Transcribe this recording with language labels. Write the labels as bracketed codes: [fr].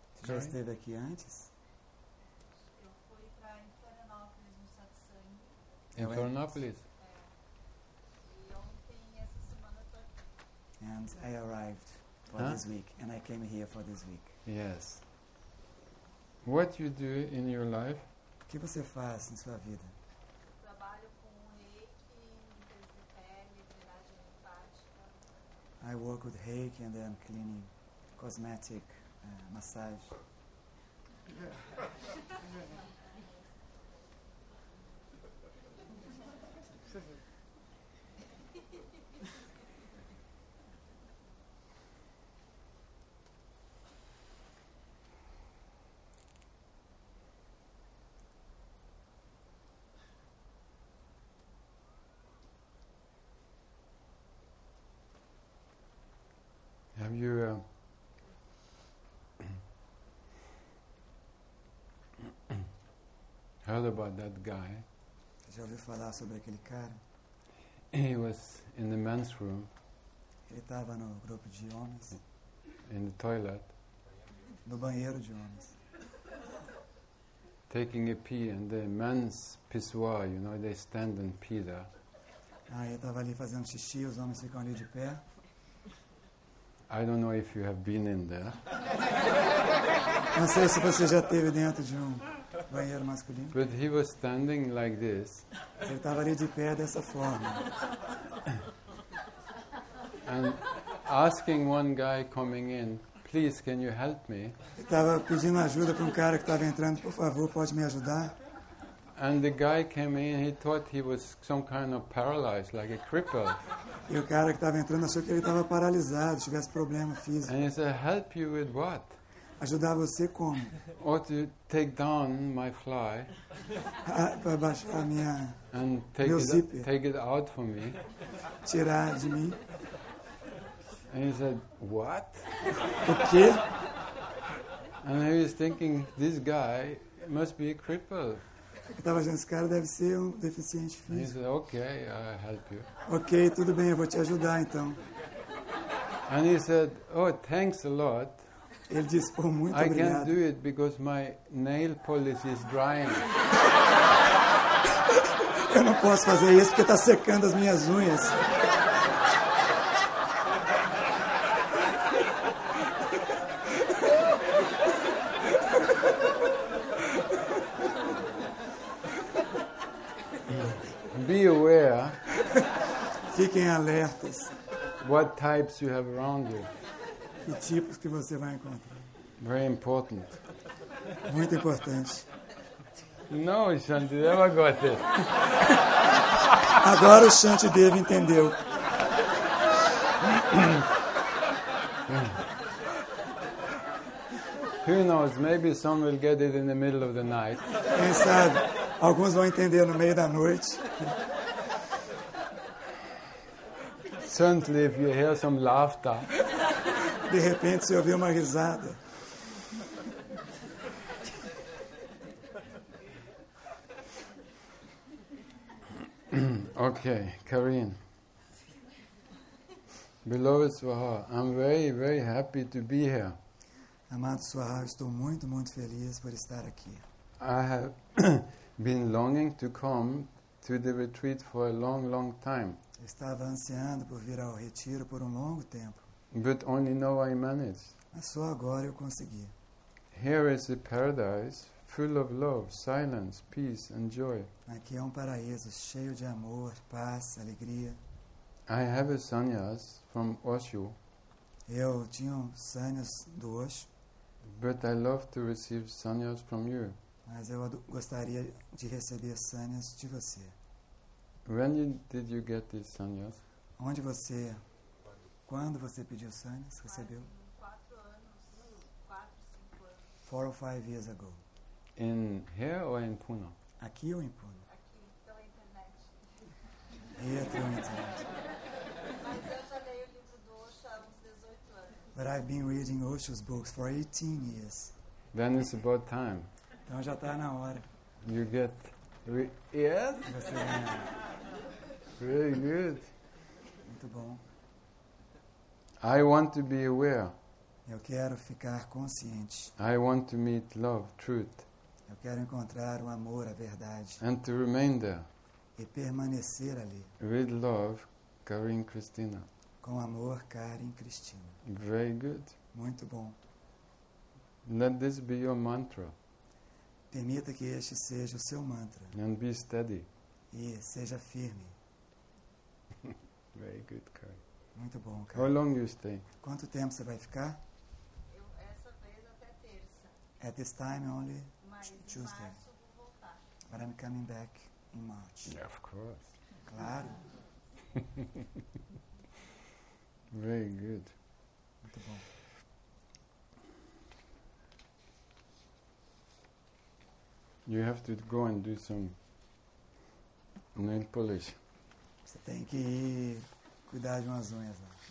[pt] Você já esteve aqui antes? Eu fui para Florianópolis no Satsang. Em Florianópolis? É. E ontem, essa semana, estou aqui. [en] And I arrived for this week. And I came here for this week. Yes. What you do in your life? [pt] O que você faz em sua vida? Trabalho com reiki, limpeza de pele, drenagem linfática. [en] I work with reiki and then cleaning. Cosmetic massage. Have you heard about that guy? [pt] Já ouviu falar sobre aquele cara? [en] He was in the men's room. [pt] Ele estava no grupo de homens. [en] In the toilet. [pt] No banheiro de homens. [en] Taking a pee in the men's pissoir, you know, they stand and pee there. [pt] Ah, ele estava ali fazendo xixi, os homens ficam ali de pé. [en] I don't know if you have been in there. [pt] Não sei se você já esteve dentro de um banheiro masculino. [en] But he was standing like this. [pt] Ele estava ali de pé dessa forma. [en] And asking one guy coming in, please, can you help me? [pt] Ele estava pedindo ajuda para um cara que estava entrando, por favor, pode me ajudar? [en] And the guy came in, he thought he was some kind of paralyzed, like a cripple. [pt] E o cara que estava entrando achou que ele estava paralisado, tivesse problema físico. [en] And he said, help you with what? [pt] Ajudar você como? [en] Or to take down my fly. [pt] Para baixar minha, [en] and take [pt] meu [en] it [pt] zíper. [en] Take it out for me. [pt] Tirar de mim. [en] And he said, what? [pt] O quê? [en] And he was thinking, this guy must be a cripple. [pt] Eu estava dizendo, esse cara deve ser um deficiente físico. [en] He said, okay, I'll help you. [pt] Ok, tudo bem, eu vou te ajudar então. [en] And he said, oh, thanks a lot. [pt] Ele disse, oh, muito obrigado. [en] I can't do it because my nail polish is drying. [pt] Eu não posso fazer isso porque está secando as minhas unhas. [en] Be aware. [pt] Fiquem alertas. [en] What types you have around you? [pt] que tipos que você vai encontrar. [en] Very important. [pt] Muito importante. [en] No, Shantideva got it. [pt] Agora o Shantideva entendeu. [en] Who knows, maybe some will get it in the middle of the night. [pt] Quem sabe, alguns vão entender no meio da noite. [en] Suddenly, if you hear some laughter. [pt] De repente, se ouvir uma risada. [en] Okay, Karin. Beloved Swaha, I'm very, very happy to be here. [pt] Amado Swaha, estou muito, muito feliz por estar aqui. [en] I have been longing to come to the retreat for a long, long time. [pt] Estava ansiando por vir ao retiro por um longo tempo. [en] But only now I managed. [pt] Mas só agora eu consegui. [en] Here is a paradise full of love, silence, peace and joy. [pt] Aqui é um paraíso cheio de amor, paz, alegria. [en] I have a sannyas from Osho. [pt] Eu tinha um sannyas do Osho. [en] But I love to receive sannyas from you. [pt] Mas eu gostaria de receber sannyas de você. [en] When did you get this sannyas? [pt] Onde você? Quando você pediu sannyas? Recebeu? 4 anos. [en] 4 or 5 years ago. In here or in Pune? [pt] Aqui ou em Pune? Aqui, pela internet. E pela internet. Mas eu já leio o livro do Osho há uns 18 anos. [en] But I've been reading Osho's books for 18 years. Then it's about time. [pt] Então já está na hora. [en] You get... Yes? [pt] Você ganha. [en] Very good. [pt] Muito bom. [en] I want to be aware. [pt] Eu quero ficar consciente. [en] I want to meet love, truth. [pt] Eu quero encontrar o amor, a verdade. [en] And to remain there. [pt] E permanecer ali. [en] With love, Karin Cristina. [pt] Com amor, Karin Cristina. [en] Very good. [pt] Muito bom. [en] Let this be your mantra. [pt] Permita que este seja o seu mantra. [en] And be steady. [pt] E seja firme. [en] Very good, Karin. [pt] Muito bom, Karin. [en] How long you stay? [pt] Quanto tempo você vai ficar? Eu, essa vez até terça. [en] At this time only... Tuesday. But I'm coming back in March. Yeah, of course. [pt] Claro. [en] Very good. [pt] Muito bom. [en] You have to go and do some nail polish. [pt] Você tem que ir cuidar de umas unhas lá.